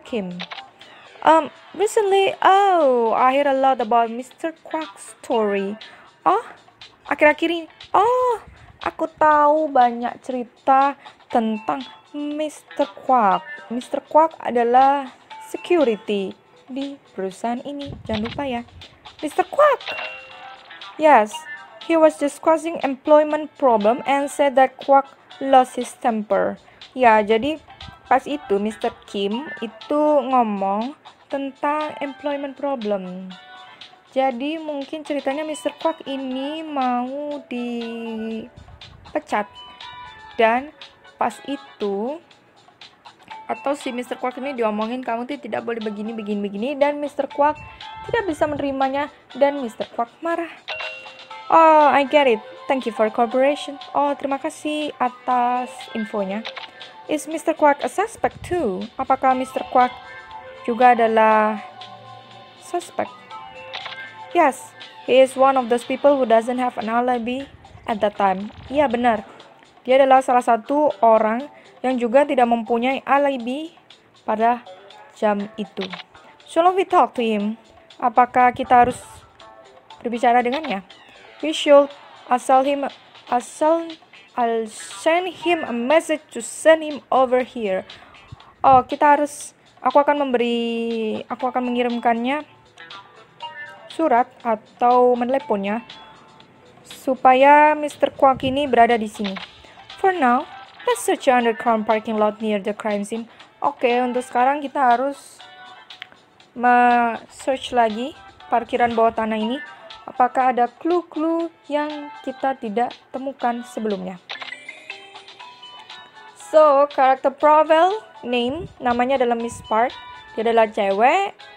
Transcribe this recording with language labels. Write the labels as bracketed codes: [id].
[en] Kim. Recently, I hear a lot about Mr. Kwak's story. [id] Oh, akhir-akhir ini. Oh, aku tahu banyak cerita tentang Mr. Kwak. Mr. Kwak adalah security di perusahaan ini. Jangan lupa ya. Mr. Kwak! [en] Yes, he was discussing employment problem and said that Kwak lost his temper. [id] Ya, jadi pas itu Mr. Kim itu ngomong tentang employment problem. Jadi mungkin ceritanya Mr. Kwak ini mau dipecat. Dan pas itu atau si Mr. Quark ini diomongin kamu tuh tidak boleh begini begini begini dan Mr. Quark tidak bisa menerimanya dan Mr. Quark marah. [en] Oh, I get it. Thank you for cooperation. [id] Oh, terima kasih atas infonya. [en] Is Mr. Quark a suspect too? [id] Apakah [en] Mr. [id] Quark juga adalah suspect? [en] Yes, he is one of those people who doesn't have an alibi at that time. [id] Iya, benar. Dia adalah salah satu orang yang juga tidak mempunyai alibi pada jam itu. [en] Shall we talk to him? [id] Apakah kita harus berbicara dengannya? [en] We should I'll send him a message to send him over here. [id] Oh, kita harus aku akan mengirimkannya surat atau meneleponnya supaya Mr. Quark ini berada di sini. [en] For now, let's search the underground parking lot near the crime scene. [id] Okay, untuk sekarang kita harus search lagi parkiran bawah tanah ini. Apakah ada clue-clue yang kita tidak temukan sebelumnya? So, karakter profile name, namanya adalah Miss Park. Dia adalah cewek.